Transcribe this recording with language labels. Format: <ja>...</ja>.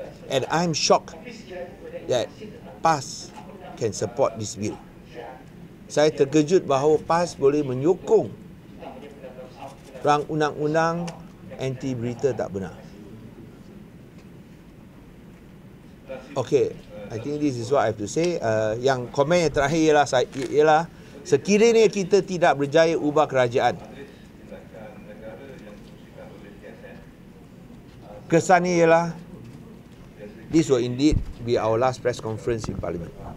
<en>And I'm shocked that PAS can support this bill.</en> <ms>Saya terkejut bahawa PAS boleh menyokong rang undang-undang anti berita tak benar.</ms> <en>Okay, I think this is what I have to say.</en> <ms>Yang komen yang terakhir ialah sekiranya kita tidak berjaya ubah kerajaan, kesannya ialah</ms> <en>this will indeed be our last press conference in parliament.</en>